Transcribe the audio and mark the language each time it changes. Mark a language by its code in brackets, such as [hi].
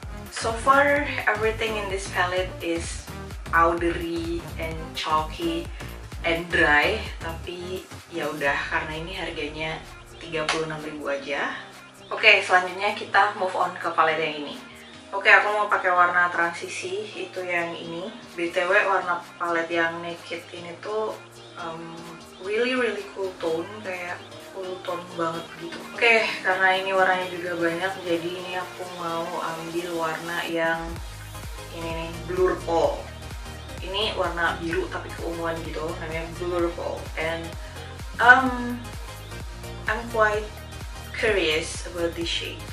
[en] So far everything in this palette is powdery and chalky and dry. [id] Tapi ya udah karena ini harganya 36.000 aja. Oke, selanjutnya kita move on ke palet yang ini. Oke, aku mau pakai warna transisi, itu yang ini. BTW, warna palet yang Naked ini tuh [en] really really cool tone, [id] kayak cool tone banget gitu. Oke, karena ini warnanya juga banyak, jadi ini aku mau ambil warna yang ini nih, Blurpo. Ini warna biru tapi keunguan gitu, namanya Blurpo. [en] And I'm quite curious about this shade.